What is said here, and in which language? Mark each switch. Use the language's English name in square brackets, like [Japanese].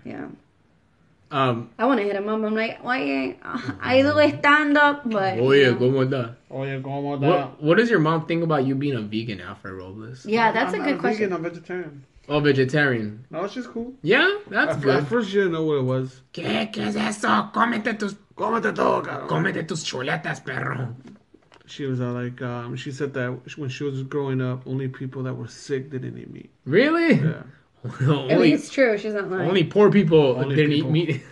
[English] Yeah. I want to hit him up. I'm like, why ain't I do a stand up? But. [Spanish] Oye, como da. Oye, como da. [English] What does your mom think about you being a vegan, Alfred Robles? Yeah, that's a good question. I'm vegan, I'm vegetarian. Oh, vegetarian. No, she's cool. Yeah, that's good. At first, she didn't know what it was. [Spanish] ¿Qué es eso? Cómete tus chuletas, perro. [English] She was she said that when she was growing up, only people that were sick didn't eat meat. Really? Yeah. Only, I mean, it's true. She's not lying. Only poor people only didn't eat meat.